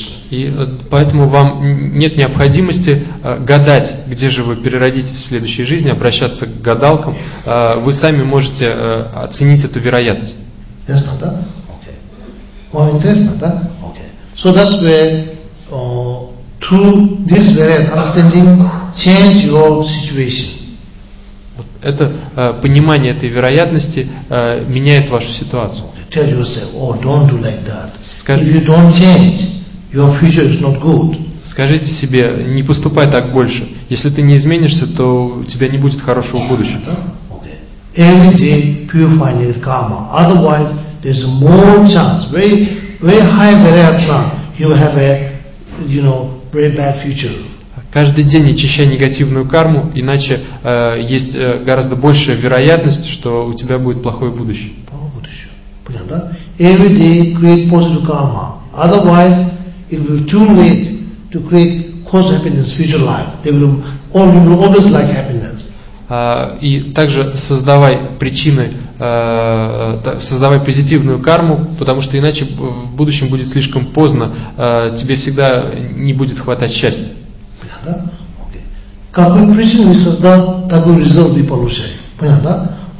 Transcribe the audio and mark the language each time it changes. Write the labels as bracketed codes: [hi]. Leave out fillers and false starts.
[ru] И поэтому вам нет необходимости гадать, где же вы переродитесь в следующей жизни, обращаться к гадалкам. Вы сами можете оценить эту вероятность. Ясно, да? Окей. Вам интересно, да? Окей. [en] So that's where through this very understanding change your situation. [ru] Это понимание этой вероятности меняет вашу ситуацию. [en] Tell yourself, oh, don't do like that. If you don't change, your future is not good. [ru] Скажите себе, не поступай так больше. Если ты не изменишься, то у тебя не будет хорошего будущего. [en] Okay. Every day purify your karma. Otherwise, there's more chance, very, very high variation. You have a, you know, very bad future. [ru] Каждый день очищай негативную карму, иначе есть гораздо большая вероятность, что у тебя будет плохое будущее. [en] Плохое будущее. Понятно, да? Every day create positive karma. Otherwise, it will be too late to create cause happiness in future life. They will all, you will always like happiness. [ru] И также создавай причины, создавай позитивную карму, потому что иначе в будущем будет слишком поздно, тебе всегда не будет хватать счастья. Да? Okay. Какой причиной мы создаем, такой результат мы получаем. Понятно, да?